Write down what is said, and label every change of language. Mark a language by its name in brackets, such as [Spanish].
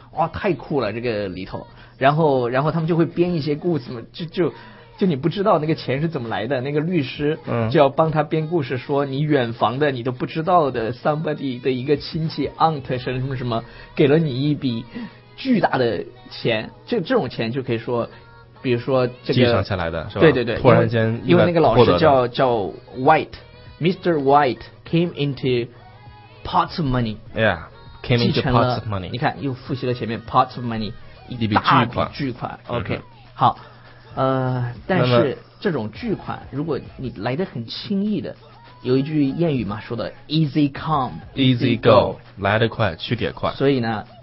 [Chinese] 哇太酷了这个里头然后他们就会编一些故事嘛就你不知道那个钱是怎么来的那个律师就要帮他编故事说你远房的你都不知道的 somebody 的一个亲戚 aunt 什么什么给了你一笔巨大的钱这种钱就可以说比如说这个继承下来的是吧对对对突然间因为那个老师叫 White Mr. [English] White came into pots of money yeah came into pots of money [Chinese] 你看又复习了前面 [English] pots of money [Chinese] 一笔巨款 OK、嗯、好但是这种巨款如果你来得很轻易的有一句谚语嘛说的 [English] easy come easy go [Chinese] 来得快去得快所以呢